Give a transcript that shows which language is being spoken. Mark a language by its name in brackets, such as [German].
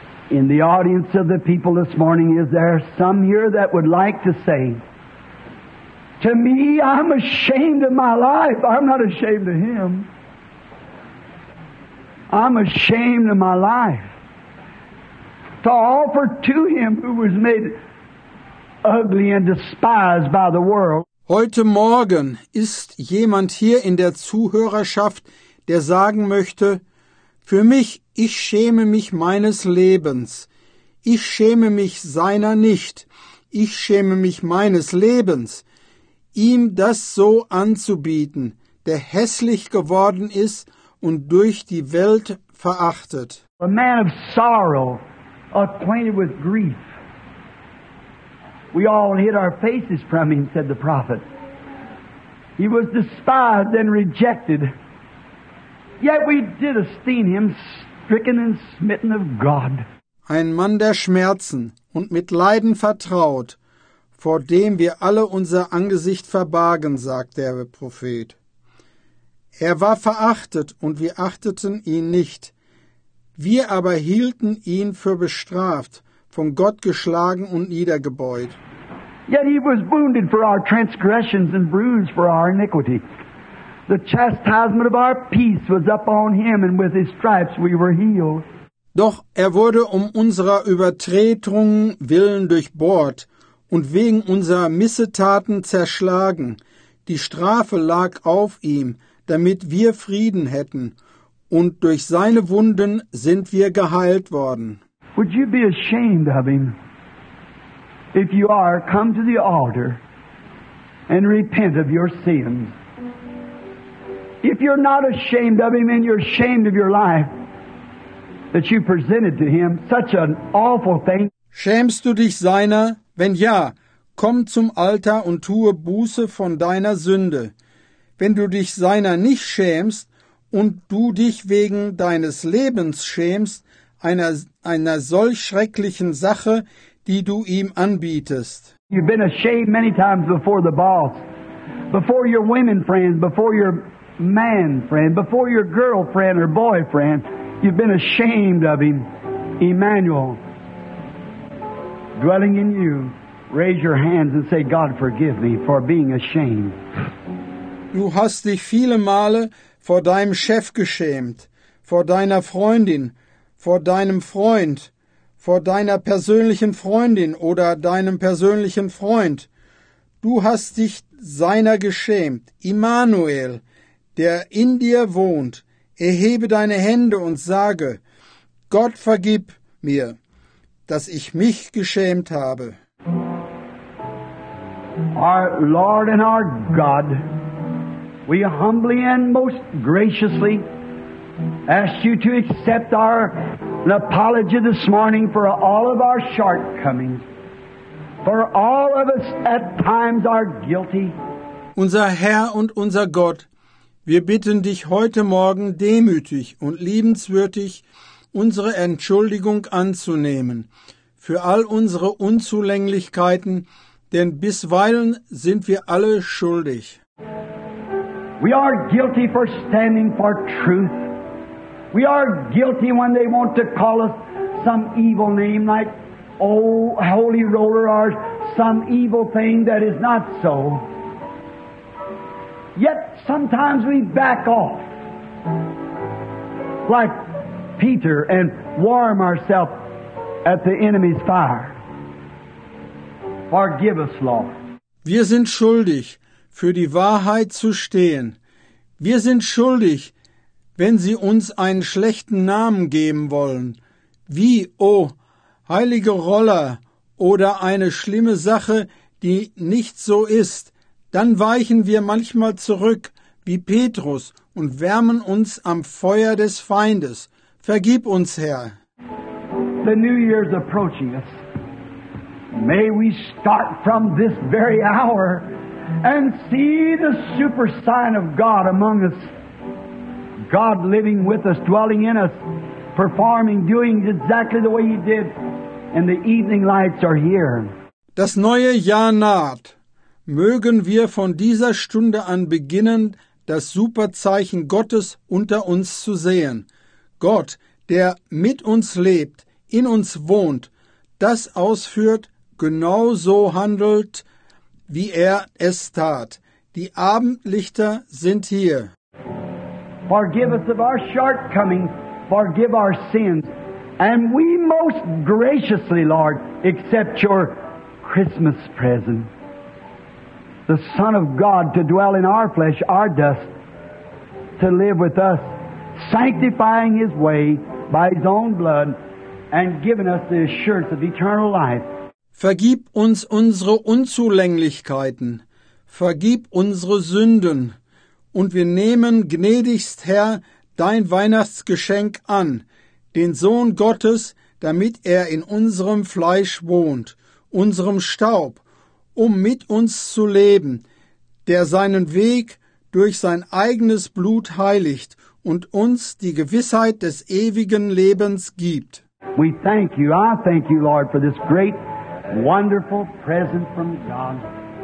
[English] In the audience of the people this morning, is there some here that would like to say, to me, I'm ashamed of my life. I'm not ashamed of him. I'm ashamed of my life to offer to him who was made ugly and despised by the world. [German] Heute Morgen ist jemand hier in der Zuhörerschaft, der sagen möchte, für mich, ich schäme mich meines Lebens. Ich schäme mich seiner nicht. Ich schäme mich meines Lebens. Ihm das so anzubieten, der hässlich geworden ist und durch die Welt verachtet. [English] A man of sorrow, acquainted with grief. We all hid our faces from him, said the prophet. He was despised and rejected. Yet we did esteem him, stricken and smitten of God. [German] Ein Mann der Schmerzen und mit Leiden vertraut, vor dem wir alle unser Angesicht verbargen, sagt der Prophet. Er war verachtet und wir achteten ihn nicht. Wir aber hielten ihn für bestraft, von Gott geschlagen und niedergebeut. [English] Yet he was wounded for our transgressions and bruised for our iniquity. The chastisement of our peace was upon him, and with his stripes we were healed. [German] Doch er wurde um unserer Übertretungen willen durchbohrt und wegen unserer Missetaten zerschlagen. Die Strafe lag auf ihm, damit wir Frieden hätten, und durch seine Wunden sind wir geheilt worden. [English] Would you be ashamed of him if you are come to the altar and repent of your sins? If you're not ashamed of him and you're ashamed of your life, that you presented to him such an awful thing. [German] Schämst du dich seiner? Wenn ja, komm zum Altar und tue Buße von deiner Sünde. Wenn du dich seiner nicht schämst und du dich wegen deines Lebens schämst, einer solch schrecklichen Sache, die du ihm anbietest. [English] You've been ashamed many times before the boss, before your women friend, before your man friend, before your girlfriend or boyfriend. You've been ashamed of him, Emmanuel, dwelling in you. Raise your hands and say, God, forgive me for being ashamed. [German] Du hast dich viele Male vor deinem Chef geschämt, vor deiner Freundin, vor deinem Freund, vor deiner persönlichen Freundin oder deinem persönlichen Freund. Du hast dich seiner geschämt, Emmanuel, der in dir wohnt. Erhebe deine Hände und sage, Gott vergib mir, dass ich mich geschämt habe. [English] Our Lord and our God, we humbly and most graciously ask you to accept our apology this morning for all of our shortcomings. For all of us at times are guilty. [German] Unser Herr und unser Gott, wir bitten dich heute Morgen demütig und liebenswürdig, unsere Entschuldigung anzunehmen für all unsere Unzulänglichkeiten, denn bisweilen sind wir alle schuldig. [English] We are guilty for standing for truth. We are guilty when they want to call us some evil name like oh, holy roller or some evil thing that is not so. Yet sometimes we back off, like Peter, and warm ourselves at the enemy's fire. Forgive us, Lord. [German] Wir sind schuldig, für die Wahrheit zu stehen. Wir sind schuldig, wenn sie uns einen schlechten Namen geben wollen. Wie, oh, heilige Roller oder eine schlimme Sache, die nicht so ist. Dann weichen wir manchmal zurück, wie Petrus, und wärmen uns am Feuer des Feindes. Vergib uns, Herr. [English] The New Year's approaching us. May we start from this very hour and see the super sign of God among us. God living with us, dwelling in us, performing, doing exactly the way he did. And the evening lights are here. [German] Das neue Jahr naht. Mögen wir von dieser Stunde an beginnen, das Superzeichen Gottes unter uns zu sehen. Gott, der mit uns lebt, in uns wohnt, das ausführt, genau so handelt, wie er es tat. Die Abendlichter sind hier. [English] Forgive us of our shortcomings, forgive our sins, and we most graciously, Lord, accept your Christmas present. The Son of God to dwell in our flesh, our dust, to live with us, sanctifying his way by his own blood, and given us the assurance of eternal life. [German] Vergib uns unsere Unzulänglichkeiten, vergib unsere Sünden, und wir nehmen, gnädigst Herr, dein Weihnachtsgeschenk an, den Sohn Gottes, damit er in unserem Fleisch wohnt, unserem Staub, um mit uns zu leben, der seinen Weg durch sein eigenes Blut heiligt und uns die Gewissheit des ewigen Lebens gibt. [English] We thank you, I thank you, Lord, for this great, wonderful present from God.